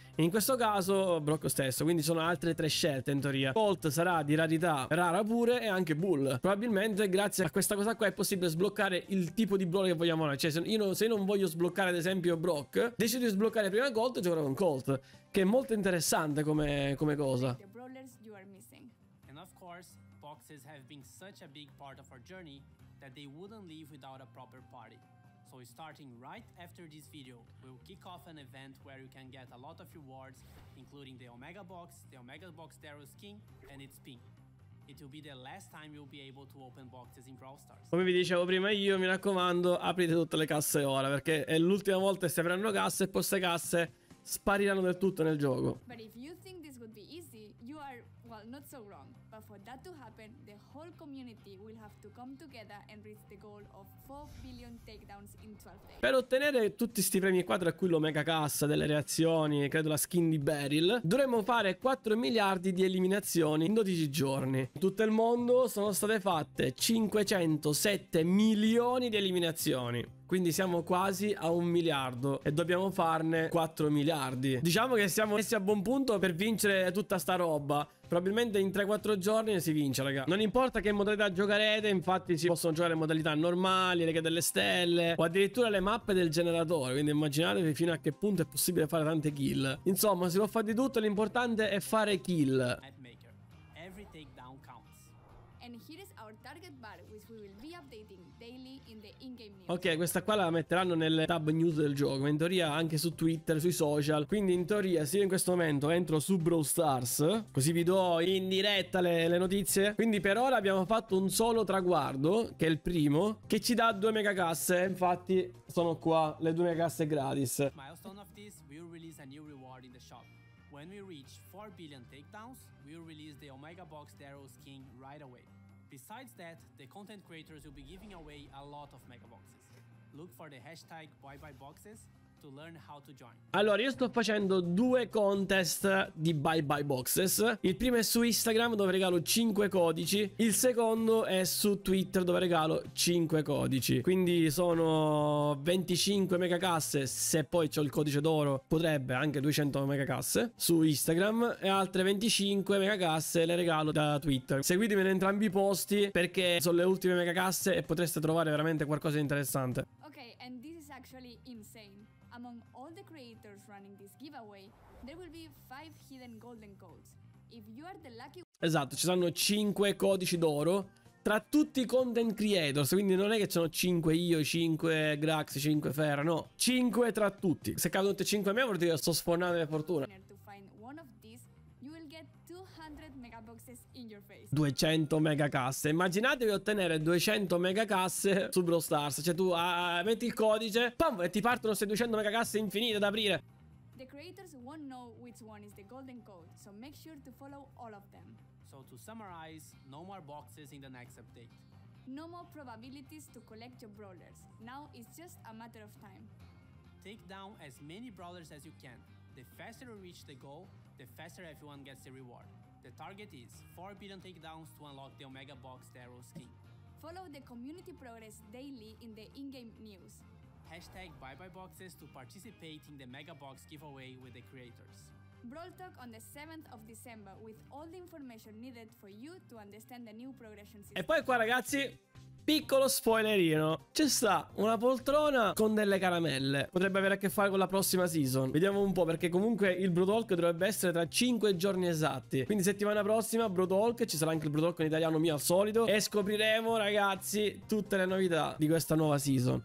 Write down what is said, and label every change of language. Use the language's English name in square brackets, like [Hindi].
[Italian] In questo caso Brock stesso, quindi sono altre tre scelte in teoria. Colt sarà di rarità rara pure e anche Bull. Probabilmente grazie a questa cosa qua è possibile sbloccare il tipo di Brawler che vogliamo. Cioè se non voglio sbloccare ad esempio Brock, decido di sbloccare prima Colt e giocherò con Colt, che è molto interessante come cosa. [English] The Brawlers you are missing. And of course, boxes have been such a big part of our journey that they wouldn't leave without a proper party. So starting right after this video, we'll kick off an event where you can get a lot of rewards, including the Omega Box Daryl skin, and its pin. It will be the last time you'll be able to open boxes in Brawl Stars. [Italian] Come vi dicevo prima, io mi raccomando, aprite tutte le casse ora, perché è l'ultima volta che si avranno casse e poi queste casse spariranno del tutto nel gioco. [English] But if you think this would be easy, you are, well, not so wrong. But for that to happen, the whole community will have to come together and reach the goal of 4 billion takedowns in 12 days. [Italian] Per ottenere tutti sti premi qua, tra cui l'Omega Cassa, delle reazioni e credo la skin di Beryl, dovremmo fare 4 miliardi di eliminazioni in 12 giorni. In tutto il mondo sono state fatte 507 milioni di eliminazioni. Quindi siamo quasi a 1 miliardo e dobbiamo farne 4 miliardi. Diciamo che siamo messi a buon punto per vincere tutta sta roba. Probabilmente in 3-4 giorni si vince, raga. Non importa che modalità giocherete, infatti si possono giocare le modalità normali, Lega delle Stelle o addirittura le mappe del generatore. Quindi immaginatevi fino a che punto è possibile fare tante kill. Insomma, si può fare di tutto, l'importante è fare kill. [English] Every takedown counts. And here is our target bar, which we will be updating daily in the in-game news. [Italian] Ok, questa qua la metteranno nelle tab news del gioco, ma in teoria anche su Twitter, sui social. Quindi in teoria, se io in questo momento entro su Brawl Stars, così vi do in diretta le notizie. Quindi per ora abbiamo fatto un solo traguardo, che è il primo, che ci dà 2 megacasse. Infatti sono qua le 2 megacasse gratis. [English] Milestone of this, we'll release a new reward in the shop. When we reach 4 billion takedowns, we'll release the Omega Box Daryl's King right away. Besides that, the content creators will be giving away a lot of Mega Boxes. Look for the hashtag BuyBuyBoxes to learn how to join. [Italian] Allora, io sto facendo 2 contest di BuyBuyBoxes. Il primo è su Instagram, dove regalo 5 codici. Il secondo è su Twitter, dove regalo 5 codici. Quindi sono 25 megacasse. Se poi c'ho il codice d'oro, potrebbe anche 200 megacasse su Instagram. E altre 25 megacasse le regalo da Twitter. Seguitemi in entrambi i posti, perché sono le ultime megacasse e potreste trovare veramente qualcosa di interessante. [English] Ok, and this is actually insane. Among all the creators running this giveaway, there will be 5 hidden golden codes. If you are the lucky... [Italian] Esatto, ci saranno 5 codici d'oro tra tutti i content creators. Quindi non è che ci sono 5 io, 5 Grax, 5 Fera, no. 5 tra tutti. Se cadono tutti 5 a me, vuol dire che sto sfornando per fortuna. [English] To find one of these, you will get 200 megaboxes in your face. [Italian] 200 megacasse. Immaginatevi ottenere 200 megacasse su Brawl Stars. Cioè tu metti il codice, pam, e ti partono queste 200 megacasse infinite da aprire. [English] The creators won't know which one is the golden code, so make sure to follow all of them. So to summarize, no more boxes in the next update. No more probabilities to collect your brawlers. Now it's just a matter of time. Take down as many brawlers as you can. The faster you reach the goal, the faster everyone gets the reward. The target is 4 billion takedowns to unlock the Omega Box Daryl skin. Follow the community progress daily in the in-game news. Hashtag BuyBuyBoxes to participate in the Mega Box giveaway with the creators. Brawl Talk on the 7th of December with all the information needed for you to understand the new progression system. [Italian] E poi qua, ragazzi, Piccolo spoilerino, ci sta una poltrona con delle caramelle. Potrebbe avere a che fare con la prossima season. Vediamo un po', perché comunque il Brutalk dovrebbe essere tra 5 giorni esatti. Quindi settimana prossima Brutalk, ci sarà anche il Brutalk in italiano mio al solito. E scopriremo, ragazzi, tutte le novità di questa nuova season.